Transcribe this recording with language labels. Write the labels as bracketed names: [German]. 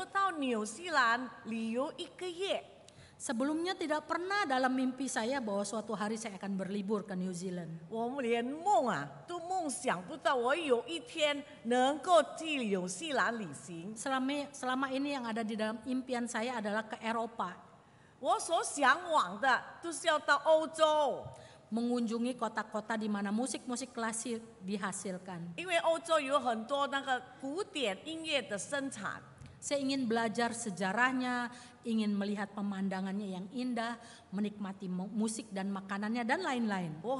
[Chinese] 那么上帝就给我机会，借着这个朋友的邀请，我能够到纽西兰旅游一个月。 [Indonesian] Sebelumnya tidak pernah dalam mimpi saya bahwa suatu hari saya akan berlibur ke New Zealand. [Chinese] 我连梦啊，都梦想不到我有一天能够去纽西兰旅行。 [Indonesian] Selama ini yang ada di dalam impian saya adalah ke Eropa. [Chinese] 我所向往的都是要到欧洲。 [Indonesian] Mengunjungi kota-kota di mana musik-musik klasik dihasilkan. [Chinese] 因为欧洲有很多那个古典音乐的生产。 [Indonesian] Saya ingin belajar sejarahnya, ingin melihat pemandangannya yang indah, menikmati musik dan makanannya dan lain-lain.